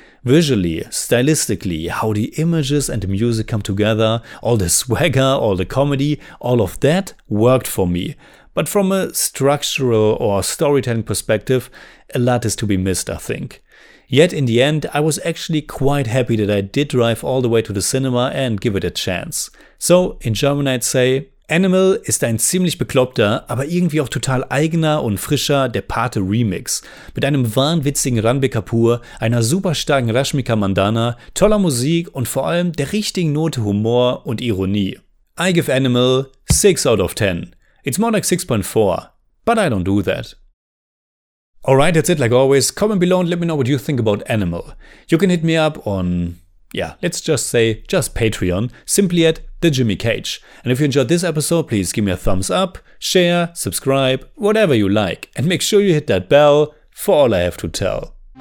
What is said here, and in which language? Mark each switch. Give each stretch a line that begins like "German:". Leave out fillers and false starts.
English: Visually, stylistically, how the images and the music come together, all the swagger, all the comedy, all of that worked for me. But from a structural or storytelling perspective, a lot is to be missed, I think. Yet in the end, I was actually quite happy that I did drive all the way to the cinema and give it a chance. So, in German I'd say,
German: Animal ist ein ziemlich bekloppter, aber irgendwie auch total eigener und frischer Der Pate Remix. Mit einem wahnwitzigen Ranbir Kapoor, einer superstarken Rashmika Mandanna, toller Musik und vor allem der richtigen Note Humor und Ironie.
English: I give Animal 6 out of 10. It's more like 6.4, but I don't do that. Alright, that's it like always. Comment below and let me know what you think about Animal. You can hit me up on, let's just say, just Patreon, simply at The Jimmy Cage. And if you enjoyed this episode, please give me a thumbs up, share, subscribe, whatever you like. And make sure you hit that bell for all I have to tell.